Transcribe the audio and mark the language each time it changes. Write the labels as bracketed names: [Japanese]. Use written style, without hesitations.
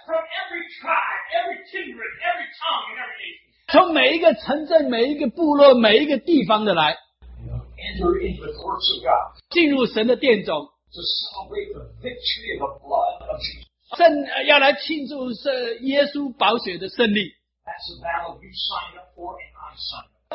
[English] from every tribe, every kindred, every tongue, and every nation, [Chinese] 从每一个城镇每一个部落每一个地方的来 [English] enter into the courts of God, [Chinese] 进入神的殿中 [English] to celebrate the victory of the blood of Jesus, [Chinese] 要来庆祝耶稣宝血的胜利 [English] That's the battle you signed up for and I signed up.